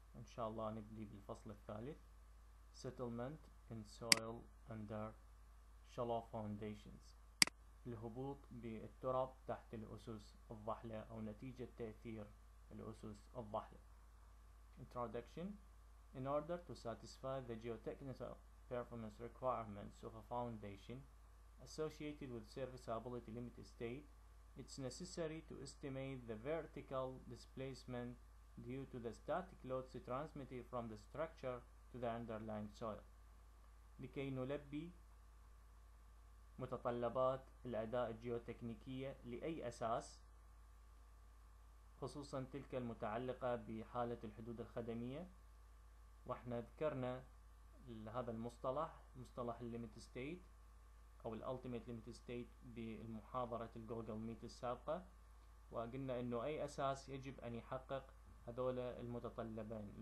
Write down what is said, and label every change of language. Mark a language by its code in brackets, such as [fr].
[ar] إن شاء الله نبدأ بالفصل الثالث [en] Settlement in Soil Under Shallow Foundations، [ar] الهبوط بالتراب تحت الأسس الضحلة أو نتيجة تأثير الأسس الضحلة. [en] Introduction: In order to satisfy the geotechnical performance requirements of a foundation associated with serviceability limited state, it's necessary to estimate the vertical displacement due to the static loads transmitted from the structure to the underlying soil. [ar] لكي نلبي متطلبات الأداء الجيوتكنيكية لأي أساس، خصوصا تلك المتعلقة بحالة الحدود الخدمية، واحنا ذكرنا هذا المصطلح، مصطلح الليميت ستيت أو الألتيميت ليميت ستيت بالمحاضرة الجوجل ميت السابقة، وقلنا إنه أي أساس يجب أن يحقق هذول المتطلبين.